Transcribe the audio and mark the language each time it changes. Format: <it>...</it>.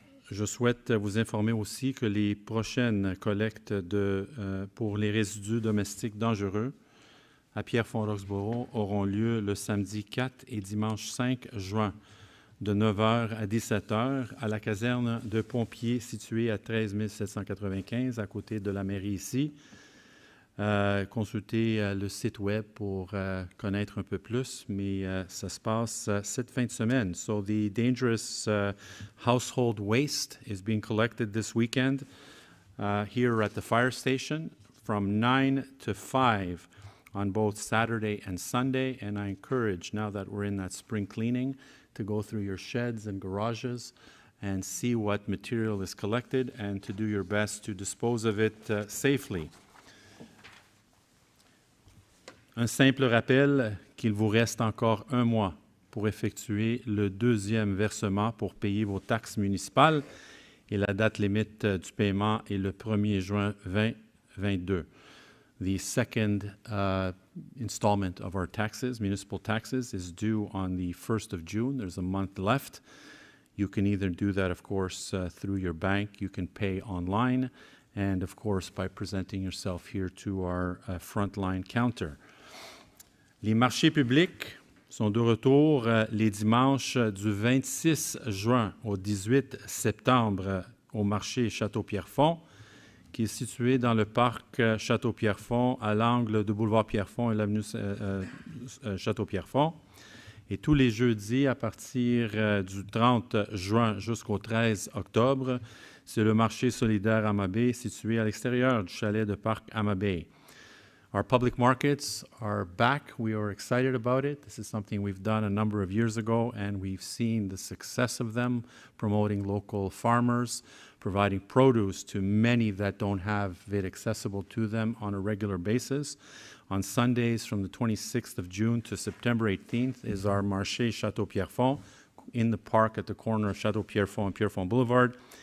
<fr>Je souhaite vous informer aussi que les prochaines collectes pour les résidus domestiques dangereux à Pierrefonds-Roxboro auront lieu le samedi 4 et dimanche 5 juin de 9h à 17h à la caserne de pompiers située à 13795 à côté de la mairie ici. Consultez le site web pour connaître un peu plus, mais ça se passe cette fin de semaine.</fr> <en>So the dangerous household waste is being collected this weekend here at the fire station from 9 to 5 on both Saturday and Sunday. And I encourage, now that we're in that spring cleaning, to go through your sheds and garages and see what material is collected and to do your best to dispose of it safely.</en> <fr>Un simple rappel qu'il vous reste encore un mois pour effectuer le deuxième versement pour payer vos taxes municipales et la date limite du paiement est le 1er juin 2022.</fr> <en>The second installment of our taxes, municipal taxes, is due on the 1st of June. There's a month left. You can either do that, of course, through your bank. You can pay online and, of course, by presenting yourself here to our frontline counter.</en> <fr>Les marchés publics sont de retour les dimanches du 26 juin au 18 septembre au marché Château-Pierrefonds, qui est situé dans le parc Château-Pierrefonds à l'angle de boulevard Pierrefonds et l'avenue Château-Pierrefonds. Et tous les jeudis à partir du 30 juin jusqu'au 13 octobre, c'est le marché solidaire Amabay situé à l'extérieur du chalet de parc Amabay.</fr> <en>Our public markets are back. We are excited about it. This is something we've done a number of years ago, and we've seen the success of them, promoting local farmers, providing produce to many that don't have it accessible to them on a regular basis. On Sundays from the 26th of June to September 18th is our Marché Château-Pierrefonds in the park at the corner of Château-Pierrefonds and Pierrefonds Boulevard.</en>